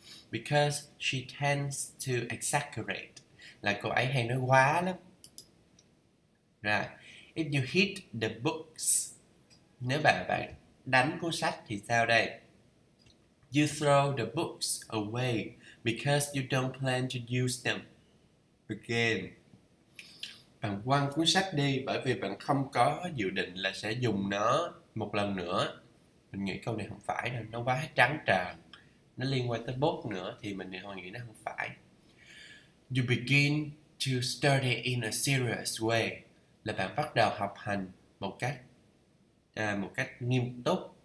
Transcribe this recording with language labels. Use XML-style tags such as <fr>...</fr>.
<en>Because she tends to exaggerate.</en> <vi>Là cô ấy hay nói quá lắm.</vi> <en>Right. If you hit the books,</en> <vi>nếu bạn bạn đánh cuốn sách thì sao đây?</vi> <en>You throw the books away because you don't plan to use them again.</en> <vi>Bạn quăng cuốn sách đi bởi vì bạn không có dự định là sẽ dùng nó một lần nữa. Mình nghĩ câu này không phải đâu, nó quá trắng trợn. Nó liên quan tới bốt nữa thì mình hoàn nghĩ nó không phải.</vi> <en>You begin to study in a serious way</en> <vi>là bạn bắt đầu học hành một cách nghiêm túc.</vi>